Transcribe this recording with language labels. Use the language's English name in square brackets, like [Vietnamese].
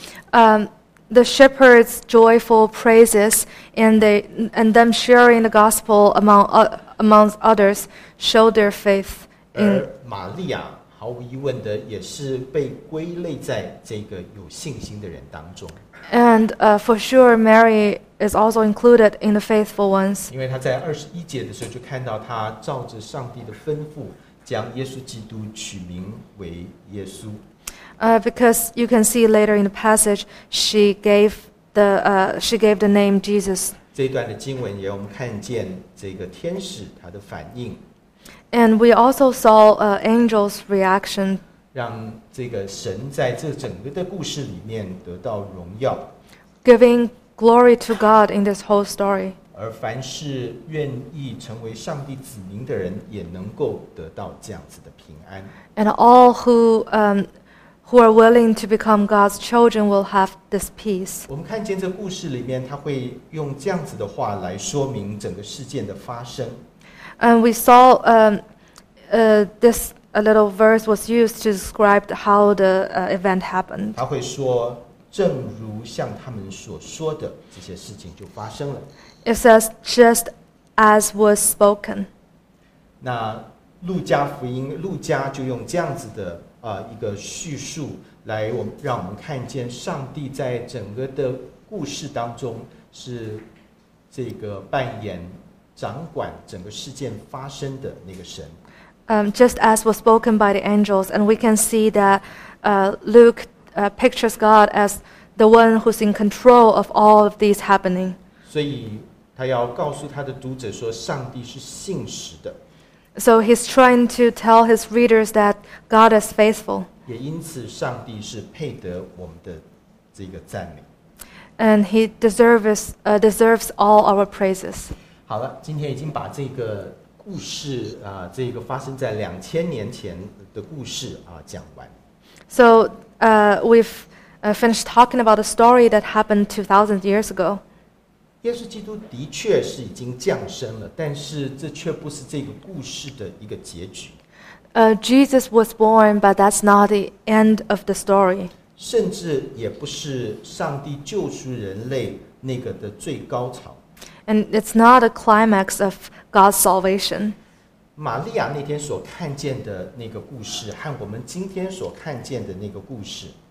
[English] The shepherds' joyful praises and them sharing the gospel among others show their faith. [Chinese] 而玛利亚毫无疑问的也是被归类在这个有信心的人当中。 [English] And for sure, Mary is also included in the faithful ones. [Chinese] 因为她在二十一节的时候就看到她照着上帝的吩咐，将耶稣基督取名为耶稣。 [English] Because you can see later in the passage, she gave the name Jesus. [Chinese] 这一段的经文也我们看见这个天使他的反应。 [English] And we also saw angels' reaction. [Chinese] 让这个神在这整个的故事里面得到荣耀。 [English] Giving glory to God in this whole story. [Chinese] 而凡是愿意成为上帝子民的人，也能够得到这样子的平安。 [English] And all who are willing to become God's children will have this peace. [Chinese] 我们看见这故事里面，他会用这样子的话来说明整个事件的发生。 [English] And we saw this a little verse was used to describe how the event happened. [Chinese] 他会说，正如像他们所说的，这些事情就发生了。 [English] It says just as was spoken. [Chinese] 那路加福音，路加就用这样子的一个叙述来让我们看见上帝在整个的故事当中是这个扮演掌管整个事件发生的那个神。 [English] Just as was spoken by the angels, and we can see that Luke pictures God as the one who's in control of all of these happening. [Chinese] 所以他要告诉他的读者说，上帝是信实的。 [English] So he's trying to tell his readers that God is faithful. [Chinese] 也因此上帝是配得我们的这个赞美。 [English] And he deserves all our praises. [Chinese] 好了，今天已经把这个故事这个发生在2000年前的故事讲完。 [English] So we've finished talking about a story that happened 2000 years ago. [Chinese] 耶稣基督的确是已经降生了，但是这却不是这个故事的一个结局。 [English] Jesus was born, but that's not the end of the story. [Chinese] 甚至也不是上帝救赎人类那个的最高潮。 [English] And it's not a climax of God's salvation. [Chinese] 玛利亚那天所看见的那个故事和我们今天所看见的那个故事。